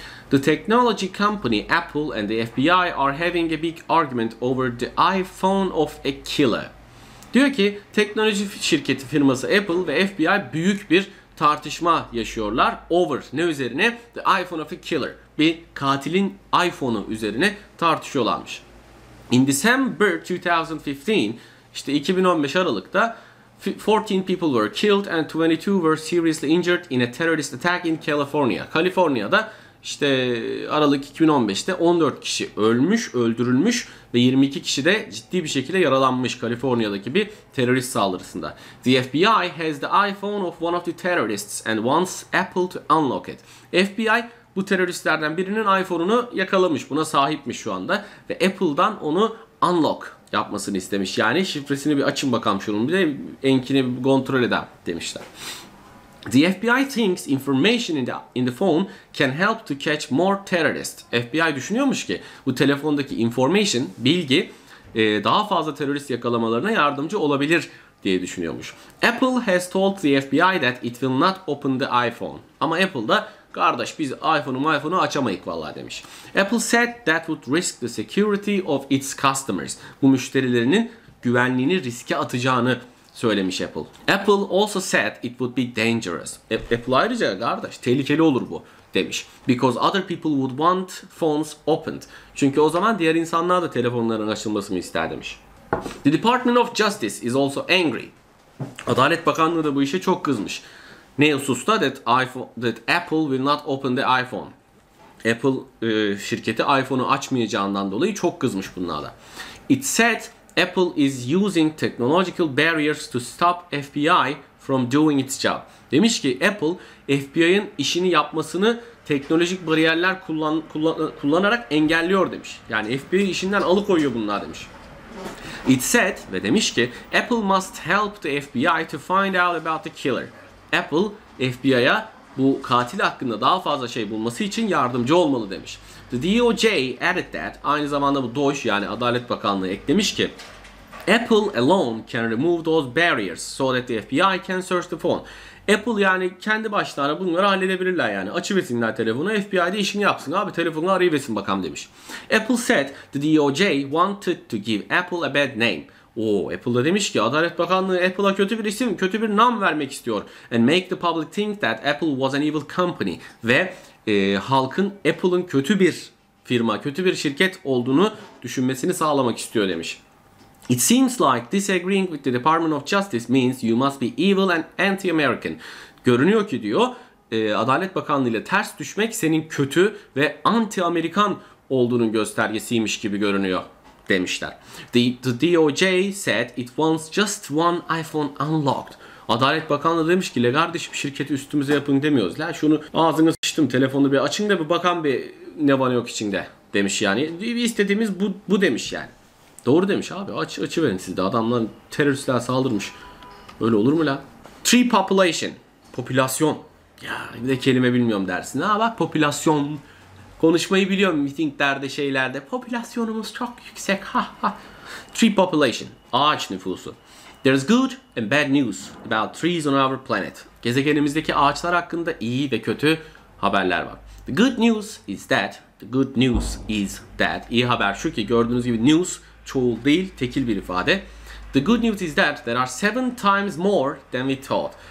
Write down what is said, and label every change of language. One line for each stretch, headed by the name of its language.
English: The technology company Apple and the FBI are having a big argument over the iPhone of a killer.
Turkish: Diyor ki teknoloji şirketi firması Apple ve FBI büyük bir tartışma yaşıyorlar.
English: Over
Turkish: ne üzerine?
English: The iPhone of a killer.
Turkish: Bir katilin iPhone'u üzerine tartışıyorlarmış.
English: In December 2015,
Turkish: işte 2015 Aralık'ta
English: 14 people were killed and 22 were seriously injured in a terrorist attack in California.
Turkish: Kaliforniya'da işte Aralık 2015'te 14 kişi ölmüş, öldürülmüş ve 22 kişi de ciddi bir şekilde yaralanmış Kaliforniya'daki bir terörist saldırısında.
English: The FBI has the iPhone of one of the terrorists and wants Apple to unlock it. FBI
Turkish: bu teröristlerden birinin iPhone'unu yakalamış, buna sahipmiş şu anda ve Apple'dan onu unlock yapmasını istemiş. Yani şifresini bir açın bakalım şunun, bir de enkini bir kontrol edelim demişler.
English: The FBI thinks information in the phone can help to catch more terrorists.
Turkish: FBI düşünüyormuş ki bu telefondaki information, bilgi daha fazla terörist yakalamalarına yardımcı olabilir diye düşünüyormuş.
English: Apple has told the FBI that it will not open the iPhone.
Turkish: Ama Apple da kardeş biz iPhone'u açamayık vallahi demiş.
English: Apple said that would risk the security of its customers.
Turkish: Bu müşterilerinin güvenliğini riske atacağını söylemiş Apple.
English: Apple also said it would be dangerous.
Turkish: Apple ayrıca kardeş tehlikeli olur bu demiş.
English: Because other people would want phones opened.
Turkish: Çünkü o zaman diğer insanlar da telefonların açılmasını ister demiş.
English: The Department of Justice is also angry.
Turkish: Adalet Bakanlığı da bu işe çok kızmış. Ne hususta?
English: That Apple will not open the iPhone.
Turkish: Apple şirketi iPhone'u açmayacağından dolayı çok kızmış bunlarla.
English: It said Apple is using technological barriers to stop FBI from doing its job.
Turkish: Demiş ki Apple FBI'ın işini yapmasını teknolojik bariyerler kullanarak engelliyor demiş. Yani FBI işinden alıkoyuyor bunlar demiş.
English: It said
Turkish: ve demiş ki
English: Apple must help the FBI to find out about the killer.
Turkish: Apple FBI'ya bu katil hakkında daha fazla şey bulması için yardımcı olmalı demiş.
English: The DOJ added that,
Turkish: aynı zamanda bu DOJ yani Adalet Bakanlığı eklemiş ki
English: Apple alone can remove those barriers so that the FBI can search the phone.
Turkish: Apple yani kendi başlarına bunları halledebilirler yani. Açıversinler telefonu, FBI'de işini yapsın abi, telefonu arayıversin bakalım demiş.
English: Apple said the DOJ wanted to give Apple a bad name.
Turkish: Oo, Apple da demiş ki Adalet Bakanlığı Apple'a kötü bir isim, kötü bir nam vermek istiyor.
English: And make the public think that Apple was an evil company.
Turkish: Ve halkın Apple'ın kötü bir firma, kötü bir şirket olduğunu düşünmesini sağlamak istiyor demiş.
English: It seems like disagreeing with the Department of Justice means you must be evil and anti-American.
Turkish: Görünüyor ki diyor Adalet Bakanlığı ile ters düşmek senin kötü ve anti-Amerikan olduğunun göstergesiymiş gibi görünüyor demişler.
English: The DOJ said it wants just one iPhone unlocked.
Turkish: Adalet Bakanlığı demiş ki le kardeşim şirketi üstümüze yapın demiyoruz. Lan şunu ağzını sıçtım telefonu bir açın da bir bakan bir ne var yok içinde demiş yani. İstediğimiz bu demiş yani. Doğru demiş abi, açıverin siz de, adamlar teröristler saldırmış. Öyle olur mu lan?
English: Tree population.
Turkish: Popülasyon. Ya bir de kelime bilmiyorum dersin. Ha bak popülasyon. Konuşmayı biliyorum meetinglerde şeylerde. Popülasyonumuz çok yüksek. Ha ha.
English: Tree population.
Turkish: Ağaç nüfusu.
English: There's good and bad news about trees on our planet.
Turkish: Gezegenimizdeki ağaçlar hakkında iyi ve kötü haberler var.
English: The good news is that.
Turkish: İyi haber şu ki gördüğünüz gibi news çoğul değil, tekil bir ifade.
English: The good news is that there are 7 times more than we thought.